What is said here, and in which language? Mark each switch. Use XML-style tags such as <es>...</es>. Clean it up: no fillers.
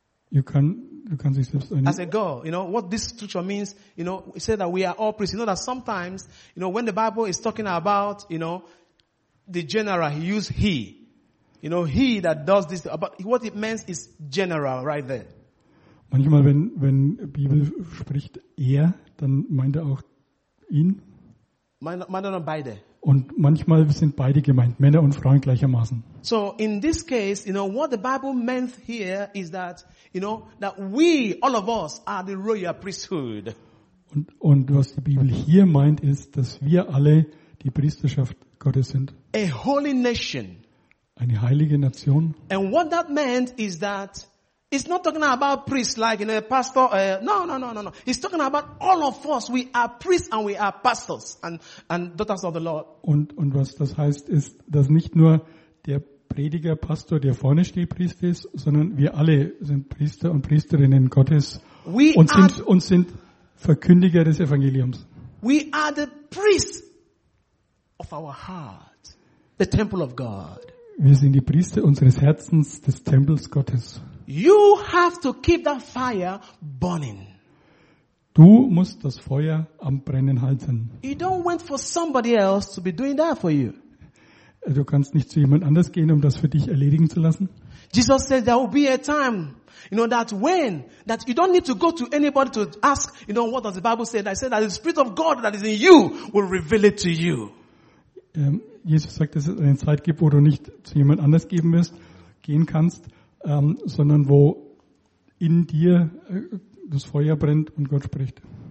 <de>You can sich selbst eine.</de> <en>As a girl, what this scripture means, it says that we are all priests. That sometimes, when the Bible is talking about, the general, he used he. He that does this. But what it means is general right there.</en> <de>Manchmal, wenn Bibel spricht er, dann meint er auch ihn. Meint er dann beide? Und manchmal sind beide gemeint, Männer und Frauen gleichermaßen.</de> <en>So in this case, what the Bible meant here is that, that we, all of us, are the royal priesthood.</en> <de>Und was die Bibel hier meint, ist, dass wir alle die Priesterschaft Gottes sind.</de> <en>A holy nation.</en> <de>Eine heilige Nation.</de> <en>And what that meant is that it's not talking about priests like a pastor. No. It's talking about all of us. We are priests and we are pastors and daughters of the Lord.</en> <de>Und was das heißt, ist, dass nicht nur der Prediger, Pastor, der vorne steht, Priester ist, sondern wir alle sind Priester und Priesterinnen Gottes und sind Verkündiger des Evangeliums.</de> <en>We are the priests of our heart, the temple of God.</en> <de>Wir sind die Priester unseres Herzens, des Tempels Gottes.</de> <en>You have to keep that fire burning.</en> <de>Du musst das Feuer am Brennen halten.</de> <en>You don't want for somebody else to be doing that for you.</en> <de>Du kannst nicht zu jemand anders gehen, um das für dich erledigen zu lassen.</de> <en>Jesus said there will be a time, you know, that when that you don't need to go to anybody to ask, you know, what does the Bible say? I said that the Spirit of God that is in you will reveal it to you.</en> <de>Jesus sagt, dass es eine Zeit gibt, wo du nicht zu jemand anders geben wirst, gehen kannst, sondern wo in dir das Feuer brennt und Gott spricht.</de>